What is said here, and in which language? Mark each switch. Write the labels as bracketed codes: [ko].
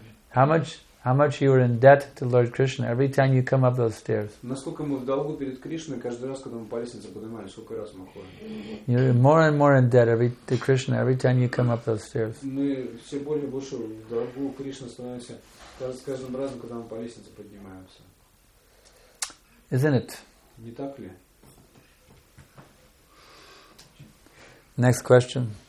[en] How much you are in debt to Lord Krishna every time you come up those stairs? [ru] Насколько мы в долгу перед Кришной каждый раз, когда мы по лестнице поднимаемся, сколько раз мы ходим? [en] You're more and more in debt to Krishna every time you come up those stairs. [ru] Мы все более и больше в долгу Кришне становимся с каждым разом, когда мы по лестнице поднимаемся. [en] Isn't it? [ru] Не так ли? [en] Next question.